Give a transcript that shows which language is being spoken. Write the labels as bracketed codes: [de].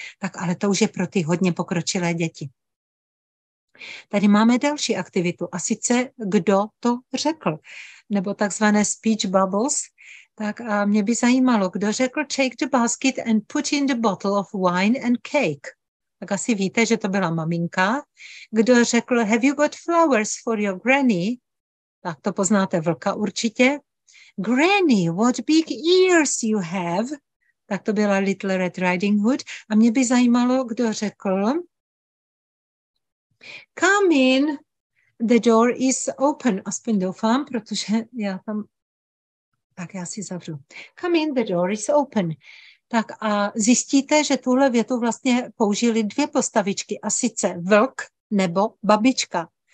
[cs] Tak ale to už je pro ty hodně pokročilé děti. Tady máme další aktivitu a sice kdo to řekl, nebo takzvané speech bubbles. Tak a mě by zajímalo, kdo řekl [en] take the basket and put in the bottle of wine and cake. [cs] Tak asi víte, že to byla maminka. Kdo řekl [en] have you got flowers for your granny? [cs] Tak to poznáte vlka určitě. [en] Granny, what big ears you have. [cs] Tak to byla Little Red Riding Hood. A mě by zajímalo, kdo řekl. [en] Come in, the door is open. [cs] Aspoň doufám, protože já tam... Tak já si zavřu. [en] Come in, the door is open. [cs] Tak a zjistíte, že tuhle větu vlastně použili dvě postavičky, a sice vlk nebo babička.